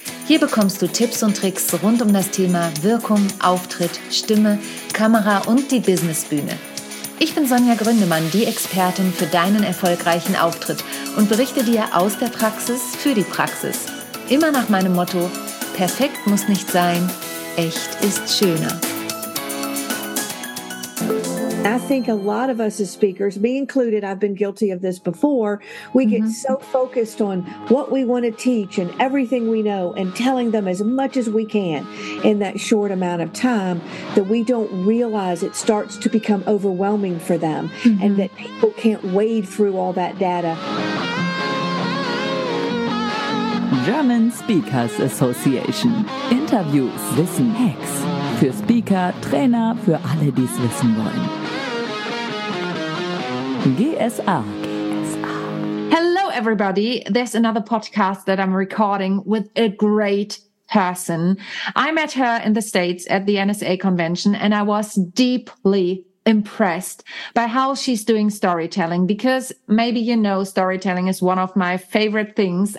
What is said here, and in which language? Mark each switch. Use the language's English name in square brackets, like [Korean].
[German] Hier bekommst du Tipps und Tricks rund um das Thema Wirkung, Auftritt, Stimme, Kamera und die Businessbühne. Ich bin Sonja Gründemann, die Expertin für deinen erfolgreichen Auftritt und berichte dir aus der Praxis für die Praxis. Immer nach meinem Motto, perfekt muss nicht sein, echt ist schöner. [English] I think a lot of us as speakers, me included, I've been guilty of this before, we get so focused on what we want to teach and everything we know and telling them as much as we can in that short amount of time that we don't realize it starts to become overwhelming for them and that people can't wade through all that data. [German] German Speakers Association. Interviews, Wissen, Hacks. Für Speaker, Trainer, für alle, die es wissen wollen. GSA. [English] Hello, everybody. There's another podcast that I'm recording with a great person. I met her in the States at the NSA convention, and I was deeply impressed by how she's doing storytelling, because maybe you know storytelling is one of my favorite things.